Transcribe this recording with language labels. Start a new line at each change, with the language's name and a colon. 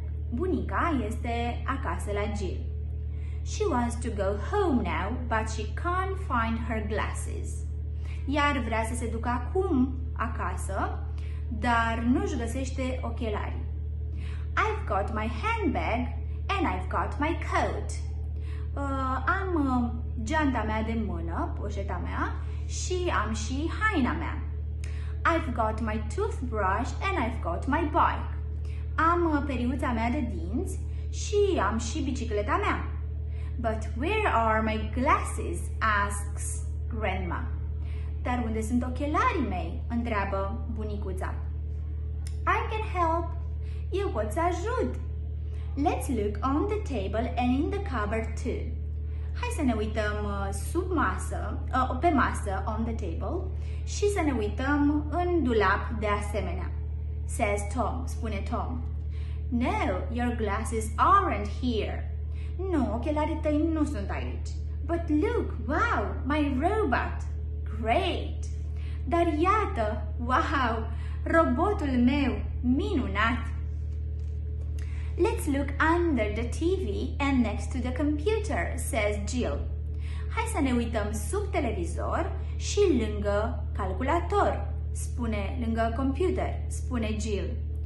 Romanian: Bunica este acasă la Jill.
English: She wants to go home now, but she can't find her glasses.
Romanian: Iar vrea să se ducă acum acasă, dar nu-și găsește ochelarii.
English: I've got my handbag and I've got my coat.
Romanian: Am geanta mea de mână, poșeta mea, și am și haina mea.
English: I've got my toothbrush and I've got my bike.
Romanian: Am periuța mea de dinți și am și bicicleta mea.
English: But where are my glasses? Asks grandma.
Romanian: Dar unde sunt ochelarii mei? Întreabă bunicuța.
English: I can help.
Romanian: Eu pot să ajut.
English: Let's look on the table and in the cupboard too.
Romanian: Hai să ne uităm sub masă, pe masă,
English: on the table,
Romanian: și să ne uităm în dulap de asemenea.
English: Says Tom,
Romanian: spune Tom.
English: No, your glasses aren't here.
Romanian: Nu, ochelarii tăi nu sunt aici.
English: But look, wow, my robot. Great!
Romanian: Dar iată, wow, robotul meu, minunat!
English: Let's look under the TV and next to the computer, says Jill.
Romanian: Hai să ne uităm sub televizor și lângă calculator, spune, lângă computer, spune Jill.